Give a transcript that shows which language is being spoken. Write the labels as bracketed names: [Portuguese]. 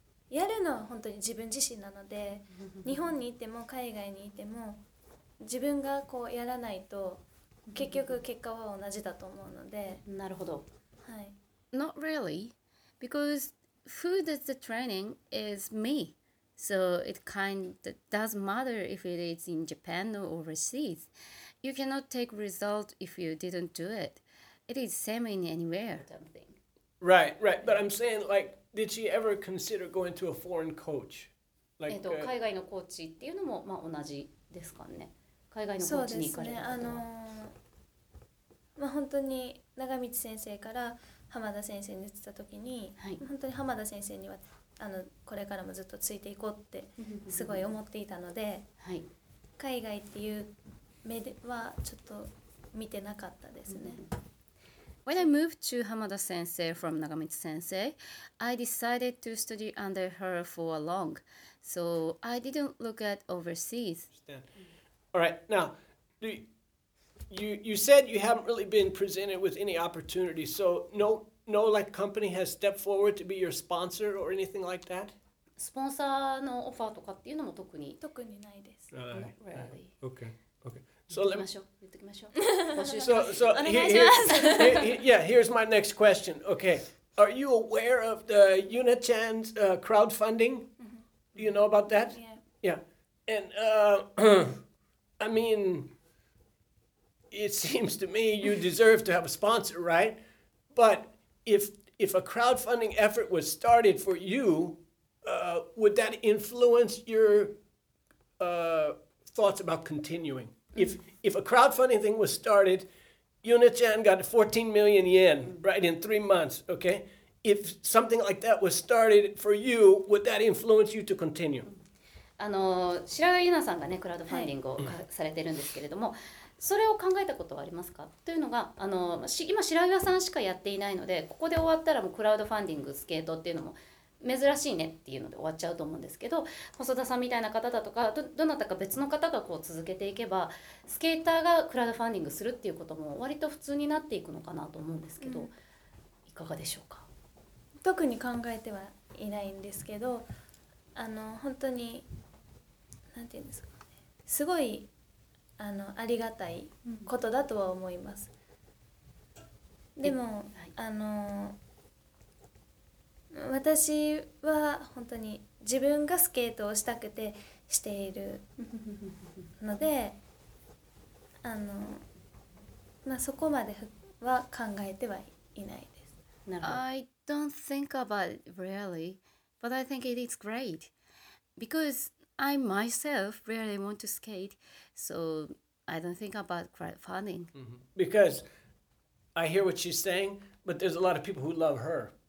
[Japanese] やるのは本当に自分自身なので、日本にいても海外にいても、自分がこうやらないと結局結果は同じだと思うので。なるほど。はい。 [English] Not really, because... Who does the training is me, so it kind of doesn't matter if it is in Japan or overseas. You cannot take result if you didn't do it. It is same in anywhere. Right, right. But I'm saying, like, did she ever consider going to a foreign coach? [Japanese] Like, 海外のコーチっていうのもまあ同じですかね。海外のコーチに行かれたのは。そうですね。まあ本当に長道先生から。浜田先生に言ってた時に、はい、本当に浜田先生にはこれからもずっとついていこうってすごい思っていたので、はい、海外っていう目ではちょっと見てなかったですね。 [English] When I moved to Hamada Sensei from Nagamitsu Sensei, I decided to study under her for a long, so I didn't look at overseas. All right, now, do you... You said you haven't really been presented with any opportunity, so no like company has stepped forward to be your sponsor or anything like that? [Japanese] Sponsor のオファーとかっていうのも特にないです。 [English] Right. Not really. Right. Okay. Okay. So let me. [Japanese] 言っときましょう。 [English] Here's my next question. Okay. Are you aware of the Yuna-chan's crowdfunding? Do you know about that? Yeah. Yeah. And I mean. It seems to me you deserve to have a sponsor, right? But if a crowdfunding effort was started for you, would that influence your thoughts about continuing? If a crowdfunding thing was started, Yuna-chan got 14 million yen, right, in 3 months, okay? If something like that was started for you, would that influence you to continue? [Japanese] 白川ユナさんがね、クラウドファンディングをされてるんですけれども、それを考えたことはありますか？というのが今白岩さんしかやっていないので、ここで終わったらもうクラウドファンディングスケートっていうのも珍しいねっていうので終わっちゃうと思うんですけど、細田さんみたいな方だとか どなたか別の方がこう続けていけば、スケーターがクラウドファンディングするっていうことも割と普通になっていくのかなと思うんですけど、うん、いかがでしょうか？特に考えてはいないんですけど、本当になんていうんですかね、すごいありがたいことだとは思います。でも、はい、私は本当に自分がスケートをしたくてしているので、まあそこまでは考えてはいないです。 [English] I don't think about it really, but I think it is great because I myself really want to skate, so. I don't think about crowdfunding. Mm-hmm. Because I hear what she's saying, but there's a lot of people who love her.